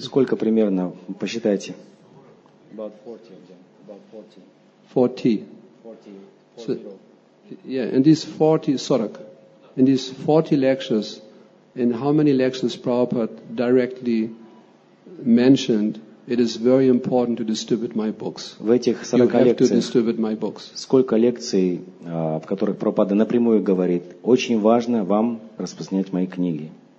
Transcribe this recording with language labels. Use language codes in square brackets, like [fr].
[ru] Сколько примерно, посчитайте. [en] About 40 of them. About 40. 40. 40. 40. So, yeah, and these 40, Sorak, in these 40 lectures, in how many lectures Prabhupada directly mentioned, it is very important to distribute my books. [ru] В этих 40 лекциях. [en] You have to distribute my books. [ru] Сколько лекций, в которых Прабхупада напрямую говорит, очень важно вам распространять мои книги.